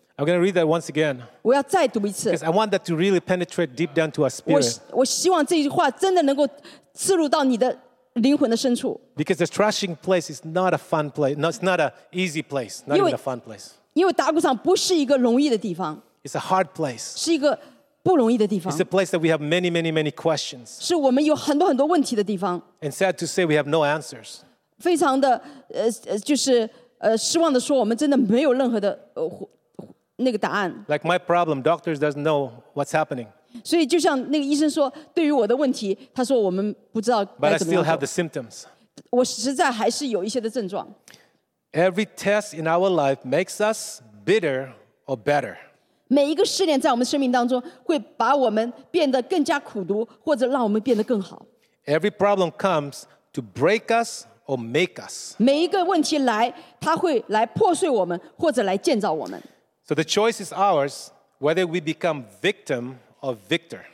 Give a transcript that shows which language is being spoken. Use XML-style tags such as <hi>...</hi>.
<en>I'm going to read that once again.</en> <zh>我要再读一次。</zh> <en>Because I want that to really penetrate deep down to our spirit.</en> <zh>我希望这句话真的能够刺入到你的灵魂的深处。</zh> <en>Because the threshing place is not a fun place. No, it's not an easy place. Not even a fun place.</en> <zh>因为打谷场不是一个容易的地方。</zh> <en>It's a hard place.</en> <zh>是一个不容易的地方。</zh> <en>It's a place that we have many, many, many questions.</en> <zh>是我们有很多很多问题的地方。</zh> <en>And sad to say, we have no answers.</en> <zh>非常的就是失望的说，我们真的没有任何的那个答案。</zh> <en>Like my problem, doctors doesn't know what's happening.</en> <zh>所以就像那个医生说，对于我的问题，他说我们不知道该怎么</zh> <en>做。But I still have the symptoms.</en> <zh>我实在还是有一些的症状。</zh> <en>Every test in our life makes us bitter or better.</en> <zh>每一个试炼在我们生命当中，会把我们变得更加苦读，或者让我们变得更好。</zh> <en>Every problem comes to break us or make us.</en> <zh>每一个问题来，它会来破碎我们，或者来建造我们。</zh> <en>So the choice is ours whether we become victim or victor.</en>